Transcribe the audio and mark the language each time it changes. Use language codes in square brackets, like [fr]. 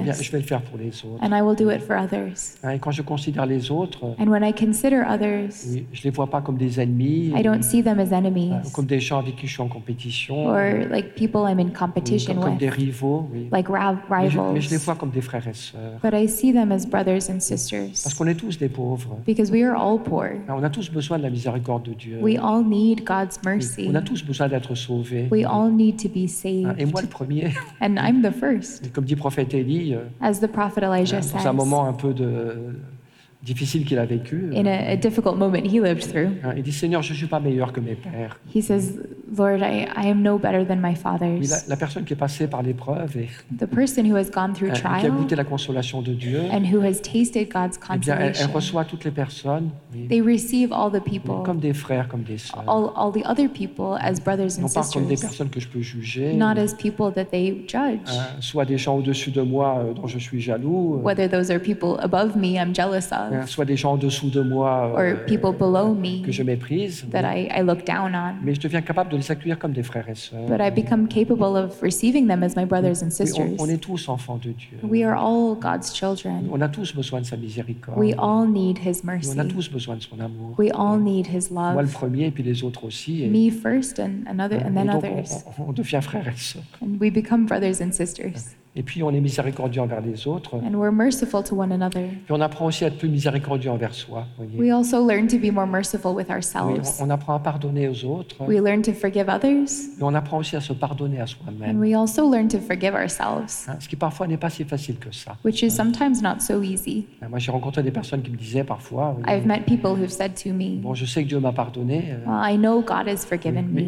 [fr] Eh bien, je vais le faire pour les autres. [en] And I will do it for others. [fr] Et quand je considère les autres. [en] And when I consider others. [fr] Je les vois pas comme des ennemis. [en] I don't see them as enemies. [fr] Comme des gens avec qui je suis en compétition. [en] Or like people I'm in competition [fr] comme [en] with. [fr] Comme des rivaux. [en] Like rivals. [fr] Mais je les vois comme des frères et sœurs. [en] But I see them as brothers and sisters. [fr] Parce qu'on est tous des pauvres. [en] Because we are all poor. [fr] On a tous besoin de la miséricorde de Dieu. [en] We all need God's mercy. [fr] On a tous besoin d'être sauvés. [en] We all need to be saved. [fr] Et moi le premier. [en] And I'm the first. [fr] Et comme dit le prophète Élie. [en] As the prophet Elijah [fr] dans [en] says. [fr] Dans un moment un peu de difficile qu'il a vécu. [en] In a difficult moment he lived through. [fr] Il dit, Seigneur, je ne suis pas meilleur que mes pères. [en] He says, Lord, I am no better than my fathers. [fr] La personne qui est passée par l'épreuve et [en] the person who has gone through trial, qui a goûté la consolation de Dieu, and who has tasted God's consolation, [fr] eh bien, elle reçoit toutes les personnes, [en] they receive all the people, [fr] comme des frères, comme des sœurs, [en] all the other people as brothers and [fr] non [en] sisters, [fr] pas comme des personnes que je peux juger, [en] not as people that they judge, [fr] soit des gens au-dessus de moi dont je suis jaloux, [en] whether those are people above me I'm jealous of, [fr] soit des gens au-dessous de moi, [en] or people below me [fr] que je méprise, [en] that I look down on, [fr] mais je deviens capable de s'accueillir comme des frères et sœurs. [en] But I become capable of receiving them as my brothers and sisters. [fr] On est tous enfants de Dieu. [en] We are all God's children. [fr] On a tous besoin de sa miséricorde. [en] We all need his mercy. [fr] On a tous besoin de son amour. [en] We all need his love. [fr] Moi le premier et puis les autres aussi. [en] Me first and another and then others. [fr] On devient frères et sœurs. [en] And we become brothers and sisters. [fr] Et puis on est miséricordieux envers les autres. [en] And we're merciful to one another. [fr] Puis on apprend aussi à être plus miséricordieux envers soi. Voyez. [en] We also learn to be more merciful with ourselves. [fr] Oui, on apprend à pardonner aux autres. [en] We learn to forgive others. [fr] Et on apprend aussi à se pardonner à soi-même. [en] And we also learn to forgive ourselves. [fr] Ce qui parfois n'est pas si facile que ça. [en] Which is sometimes not so easy. [fr] Moi j'ai rencontré des personnes qui me disaient parfois. [en] I've met people who've said to me. [fr] Bon, je sais que Dieu m'a pardonné. [en] Well, I know God has forgiven me.